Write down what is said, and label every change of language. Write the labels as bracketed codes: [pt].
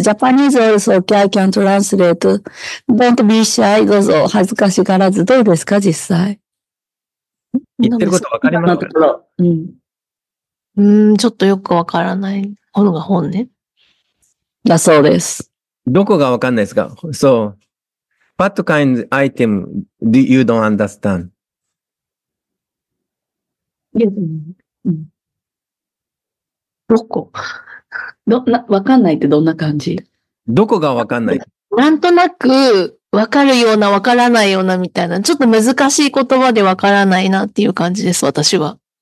[en] Japanese also, okay, I can translate. Don't be shy, [ja] どうぞ、恥ずかしがらず、どうですか、実際。言ってることわかりますか？ちょっとよくわからない。本が本ね。だそうです。どこがわかんないですか？ [en] So, what kind of item do you don't understand? [ja] どこわかんないってどんな感じ？どこがわかんない？なんとなくわかるようなわからないようなみたいな、ちょっと難しい言葉でわからないなっていう感じです、私は。